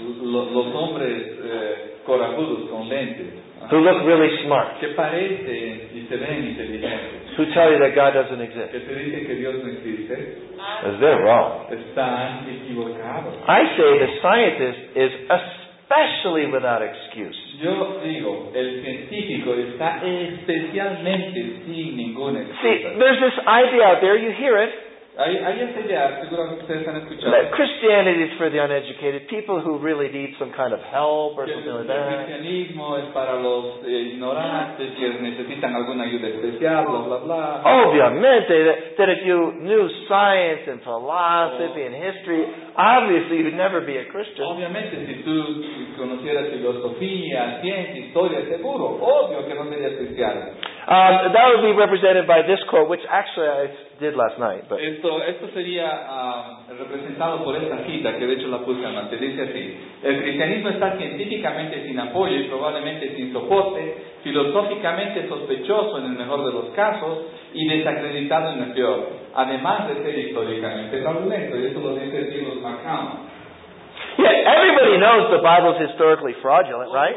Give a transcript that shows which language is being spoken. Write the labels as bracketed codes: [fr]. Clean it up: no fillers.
[es] Los hombres corajudos con lentes, [en] who look really smart, [es] que parecen y se ven inteligentes, [en] who tell you that God doesn't exist, [es] que te dicen que Dios no existe, [en] is they're wrong. [es] Están equivocados. [en] I say the scientist is especially without excuse. [es] Yo digo, el científico está especialmente sin ninguna excusa. [en] See, there's this idea out there, you hear it. [es] Hay [en] Christianity is for the uneducated, people who really need some kind of help or something like that. [es] El cristianismo es para los ignorantes que necesitan alguna ayuda especial, bla bla bla. [en] Obviamente, that if you knew science and philosophy and history, obviously you'd never be a Christian. [es] Obviamente, si tú conocieras filosofía, ciencia, historia, seguro, obvio que no serías cristiano. [en] That would be represented by this quote, which actually I did last night. But [es] esto sería representado por esta cita que de hecho la puse antes. Dice así: el cristianismo está científicamente sin apoyo y probablemente sin soporte, filosóficamente sospechoso en el mejor de los casos y desacreditado en el peor, además de ser históricamente fraudulento. Y esto lo dice James McCown. [en] Yeah, everybody knows the Bible's historically fraudulent, right?